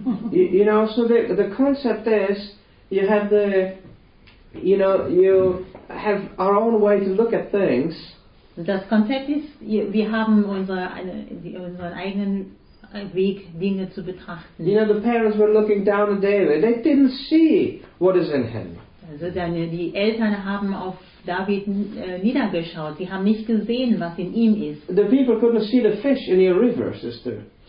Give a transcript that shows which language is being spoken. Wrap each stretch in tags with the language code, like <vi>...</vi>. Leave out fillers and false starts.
<en>You know, so the concept is, you have the, you know, you have our own way to look at things.</en> <de>Das Konzept ist, wir haben unseren eigenen Weg, Dinge zu betrachten.</de> <en>You know, the parents were looking down at David. They didn't see what is in him.</en> <de>Also dann, die Eltern haben auf David niedergeschaut. Sie haben nicht gesehen, was in ihm ist.</de> <en>The people couldn't see the fish in your river, sister.</en>